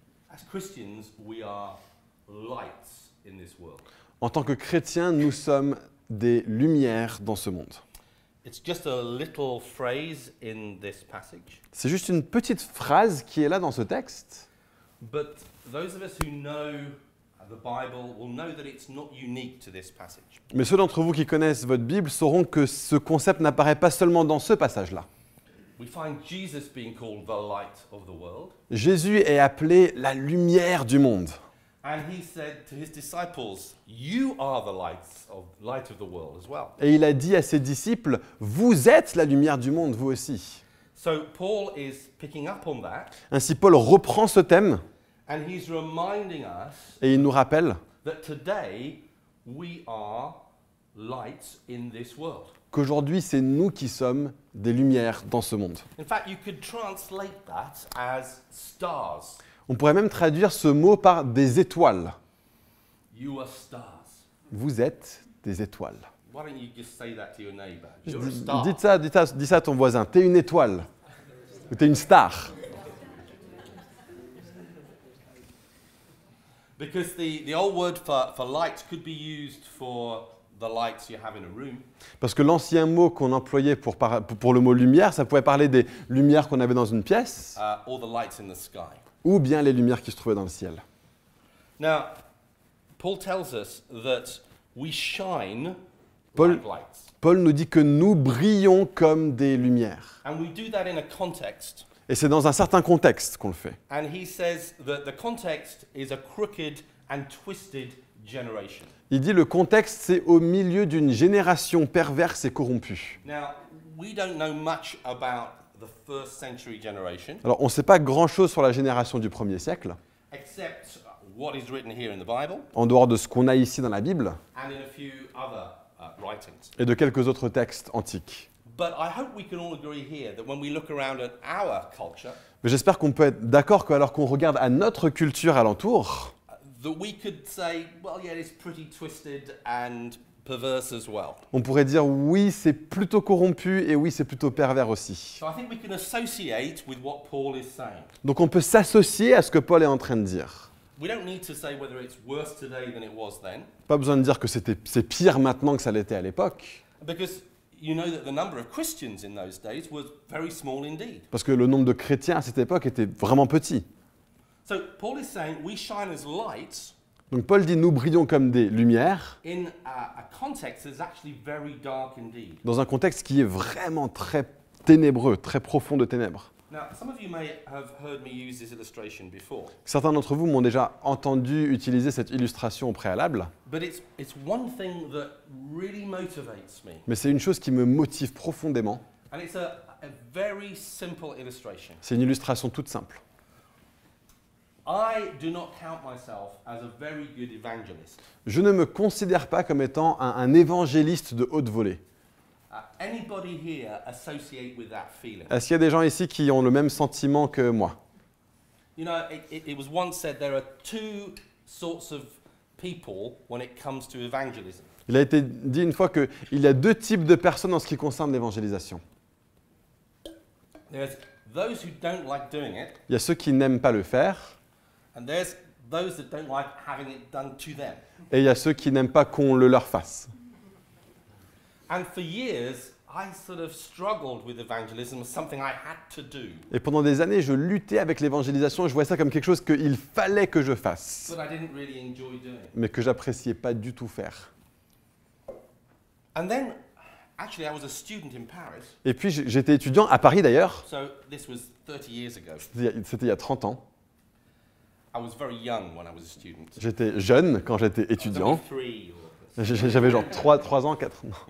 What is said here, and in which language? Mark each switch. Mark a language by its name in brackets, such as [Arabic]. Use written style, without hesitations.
[English] As Christians, we are lights in this world. [French] En tant que chrétiens, nous sommes des lumières dans ce monde. [English] It's just a little phrase in this passage. [French] C'est juste une petite phrase qui est là dans ce texte. [English] But those of us who know the Bible will know that it's not unique to this passage. [French] Mais ceux d'entre vous qui connaissent votre Bible sauront que ce concept n'apparaît pas seulement dans ce passage-là. [English] We find Jesus being called the light of the world. [French] Jésus est appelé la lumière du monde. [English] And he said to his disciples, you are the light of the world as well. [French] Et il a dit à ses disciples, vous êtes la lumière du monde, vous aussi. [English] So Paul is picking up on that. [French] Ainsi Paul reprend ce thème. [English] And he's reminding us, [French] et il nous rappelle, [English] that today we are lights in this world. [French] Qu'aujourd'hui, c'est nous qui sommes des lumières dans ce monde. [English] In fact, you could translate that as stars. [French] On pourrait même traduire ce mot par des étoiles. [English] You are stars. [French] Vous êtes des étoiles. [English] Why don't you just say that to your neighbor? You're a star. [French] Dis ça à ton voisin. T'es une étoile. Ou t'es une star. [English] Because the old word for light could be used for the lights you have in a room. [French] Parce que l'ancien mot qu'on employait pour le mot lumière, ça pouvait parler des lumières qu'on avait dans une pièce. [English] Or the lights in the sky. [French] Ou bien les lumières qui se trouvaient dans le ciel. [English] Now, Paul tells us that we shine like lights. [French] Paul nous dit que nous brillons comme des lumières. [English] And we do that in a context. [French] Et c'est dans un certain contexte qu'on le fait. [English] And he says that the context is a crooked and twisted generation. [French] Il dit le contexte c'est au milieu d'une génération perverse et corrompue. [English] Now, we don't know much about the first century generation. [French] Alors on ne sait pas grand-chose sur la génération du premier siècle. [English] Except what is written here in the Bible. [French] En dehors de ce qu'on a ici dans la Bible. [English] And in a few other writings. [French] Et de quelques autres textes antiques. [English] But I hope we can all agree here that when we look around at our culture, [French] mais j'espère qu'on peut être d'accord que alors qu'on regarde à notre culture alentour, [English] that we could say, well, yeah, it's pretty twisted and perverse as well. [French] On pourrait dire oui, c'est plutôt corrompu et oui, c'est plutôt pervers aussi. [English] So I think we can associate with what Paul is saying. [French] Donc on peut s'associer à ce que Paul est en train de dire. [English] We don't need to say whether it's worse today than it was then. [French] Pas besoin de dire que c'est pire maintenant que ça l'était à l'époque. [English] Because you know that the number of Christians in those days was very small indeed. [French] Parce que le nombre de chrétiens à cette époque était vraiment petit. [English] So Paul is saying we shine as lights. [French] Donc Paul dit nous brillons comme des lumières. [English] In a context that's actually very dark indeed. [French] Dans un contexte qui est vraiment très ténébreux, très profond de ténèbres. [English] Now, some of you may have heard me use this illustration before. [French] Certains d'entre vous m'ont déjà entendu utiliser cette illustration au préalable. [English] But it's one thing that really motivates me. [French] Mais c'est une chose qui me motive profondément. [English] And it's a very simple illustration. [French] C'est une illustration toute simple. [English] I do not count myself as a very good evangelist. [French] Je ne me considère pas comme étant un évangéliste de haute volée. [English] Anybody here associate with that feeling? [French] Est-ce qu'il y a des gens ici qui ont le même sentiment que moi? [English] You know, it was once said there are two sorts of people when it comes to evangelism. [French] Il a été dit une fois que il y a deux types de personnes en ce qui concerne l'évangélisation. [English] There's those who don't like doing it. [French] Il y a ceux qui n'aiment pas le faire. [English] And there's those that don't like having it done to them. [French] Et il y a ceux qui n'aiment pas qu'on le leur fasse. [English] And for years, I sort of struggled with evangelism as something I had to do. [French] Et pendant des années, je luttais avec l'évangélisation. Je voyais ça comme quelque chose qu'il fallait que je fasse. [English] But I didn't really enjoy doing. [French] Mais que j'appréciais pas du tout faire. [English] And then, actually, I was a student in Paris. [French] Et puis, j'étais étudiant à Paris d'ailleurs. [English] So this was 30 years ago. [French] C'était il y a 30 ans. [English] I was very young when I was a student. [French] J'étais jeune quand j'étais étudiant. J'avais genre 3 ans, 4 ans.